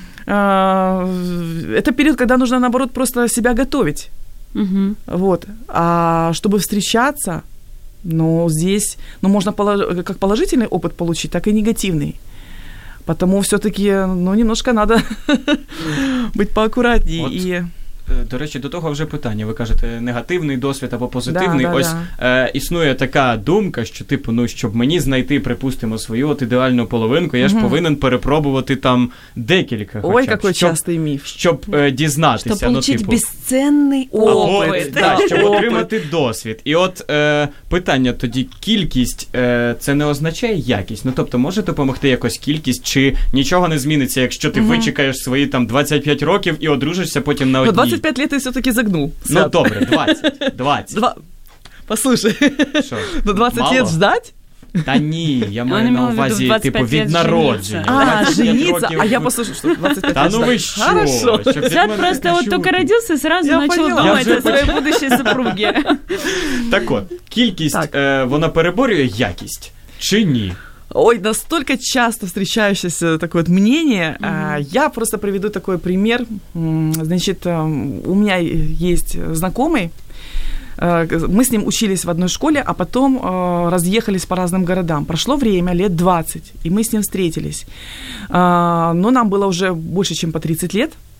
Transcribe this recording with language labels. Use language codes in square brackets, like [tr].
[ru] это период, когда нужно, наоборот, просто себя готовить. Угу. Вот. А чтобы встречаться, ну, здесь, ну, можно как положительный опыт получить, так и негативный. Потому все-таки, ну, немножко надо быть поаккуратнее. Вот. [uk] До речі, до того вже питання. Ви кажете, негативний досвід або позитивний. [ru] Да, [uk] ось [ru] да. [uk] Існує така думка, що, типу, ну, щоб мені знайти, припустимо, свою от ідеальну половинку, я ж повинен перепробувати там декілька. Ой, хоча б, який частий міф. Щоб дізнатися. Щоб отримати, ну, типу, безцінний опит. Да, щоб отримати досвід. І от питання тоді, кількість це не означає якість? Ну, тобто, може допомогти якось кількість, чи нічого не зміниться, якщо ти вичекаєш свої там 25 років і одружишся потім на одній? [ru] 25 лет я все-таки загнул. Ну, добре, 20. Послушай, шо, до 20 мало? Лет ждать? [uk] Да не, я маю на увазі, типу, від народження. [ru] А, жениться? А я послушаю, что 25 да лет. Да ну вы что? Хорошо. Сейчас просто вот только родился, сразу я начал поняла. Думать о своей будущей супруге. Так вот, [uk] кількість, вона переборює якість, чи ні? [ru] Ой, настолько часто встречающееся такое вот мнение. Mm-hmm. Я просто приведу такой пример. Значит, у меня есть знакомый. Мы с ним учились в одной школе, а потом разъехались по разным городам. Прошло время, лет 20, и мы с ним встретились. Но нам было уже больше, чем по 30 лет.